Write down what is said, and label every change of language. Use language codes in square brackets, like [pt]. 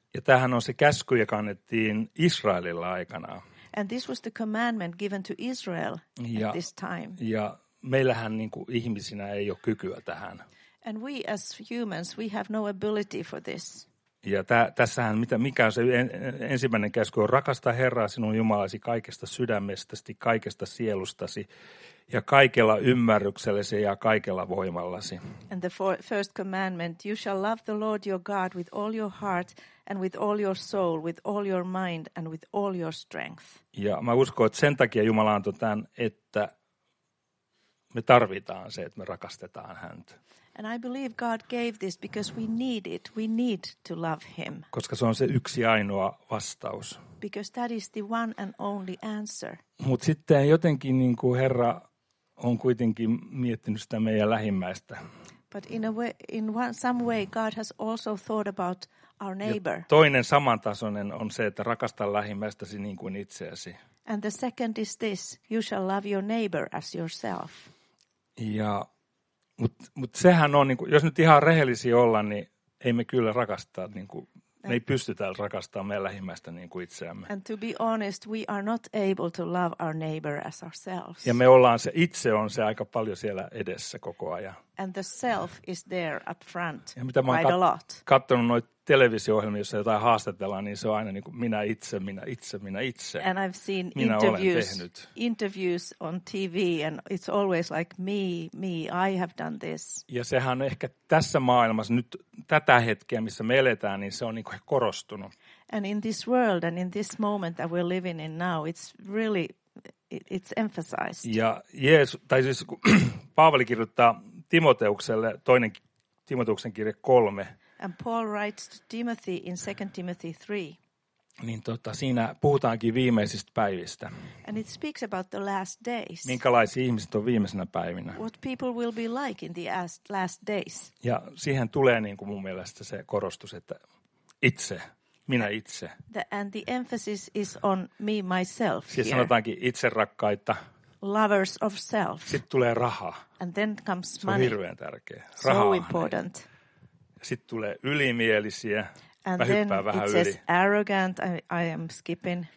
[fi] Ja tämähän on se käsky, joka annettiin Israelilla aikanaan. [en] And this was the commandment given to Israel at this time. [fi] Ja meillähän niin kuin ihmisinä ei ole kykyä tähän. [en] And we as humans, we have no ability for this. [fi] Ja tässähän, mikä on se ensimmäinen käsky, on rakasta Herraa sinun Jumalasi kaikesta sydämestäsi, kaikesta sielustasi ja kaikella ymmärryksellesi ja kaikella voimallasi. [en] And the first commandment, you shall love the Lord your God with all your heart and with all your soul, with all your mind and with all your strength. [fi] Ja mä uskon, että sen takia Jumala antoi tämän, että me tarvitaan se, että me rakastetaan häntä. [en] And I believe God gave this because we need it. We need to love him. [fi] Koska se on se yksi ainoa vastaus. [en] Because that is the one and only answer. [fi] Mut sitten jotenkin niin kuin Herra on kuitenkin miettinyt sitä meidän lähimmäistä. [en] But in some way God has also thought about our neighbor. [fi] Ja toinen samantasoinen on se, että rakasta lähimmäistäsi niin kuin itseäsi. [en] And the second is this, you shall love your neighbor as yourself. [fi] Ja Mut sehän on, niinku, jos nyt ihan rehellisiä olla, niin ei me kyllä rakastaa, niinku, me ei pystytä rakastamaan meidän lähimmäistä niinku itseämme. [en] And to be honest, we are not able to love our neighbor as ourselves. [fi] Ja me ollaan se, itse on se aika paljon siellä edessä koko ajan. [en] And the self is there up front [fi] ja mitä mä oon kattonut noita televisio-ohjelmia, joissa jotain haastatellaan, niin se on aina niinku minä itse. [en] And I've seen interviews on TV and it's always like me, I have done this. [fi] Ja sehän on ehkä tässä maailmassa nyt tätä hetkeä, missä me eletään, niin se on niinku korostunut. [en] And in this world and in this moment that we're living in now, it's really, it's emphasized. [fi] Ja Jeesus, tai siis Paavali kirjoittaa Timoteukselle, toinen Timoteuksen kirje 3. [en] And Paul writes to Timothy in 2 Timothy 3. [fi] Niin siinä puhutaankin viimeisistä päivistä. [en] And it speaks about the last days. [fi] Minkälaisia ihmiset on viimeisenä päivinä. [en] What people will be like in the last days. [fi] Ja siihen tulee niin kuin mun mielestä se korostus, että itse. minä itse. [en] And the emphasis is on me, myself. [fi] Siis sanotaankin itserakkaita. [en] Lovers of self. [fi] Sitten tulee raha. [en] And then comes money. [fi] Se on hirveän tärkeä. [en] So [fi] raha [en] important. [fi] Sitten tulee ylimielisiä. [en] And [fi] mä hyppään vähän yli. [en] And then it says arrogant, I am skipping.